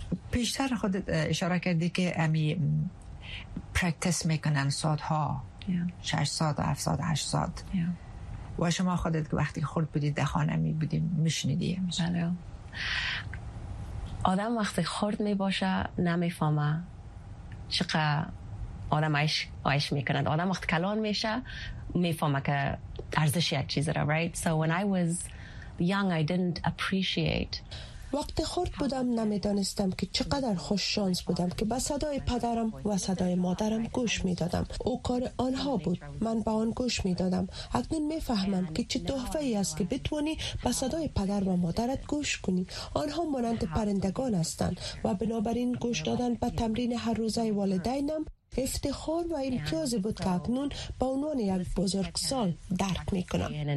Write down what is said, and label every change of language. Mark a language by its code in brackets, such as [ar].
[fa] پیشتر خود اشاره کردی که امی پرکتس میکنن ساعتها، 6 ساعت 7 ساعت 8 ساعت، و شما خودت که وقتی خورد بودی در خانه می بودیم میشنیدی؟ بله، آدم وقتی خورد می باشه نمی فهمه چقدر آدم عیش میکنند. آدم وقتی کلان میشه میفهمه که ارزش یک چیز را، [en] right? So when I was young, I didn't appreciate. [fa] وقتی خورد بودم نمیدانستم که چقدر خوش شانس بودم که به صدای پدرم و صدای مادرم گوش میدادم. او کار آنها بود، من به آن گوش میدادم. اکنون میفهمم که چه تحفه ای است که بتوانی به صدای پدر و مادرت گوش کنی. آنها مانند پرندگان هستند و بنابراین گوش دادن به تمرین هر روزه والدینم افتخار و امتیاز بود که اکنون با عنوان یک بزرگ سال درک میکنم.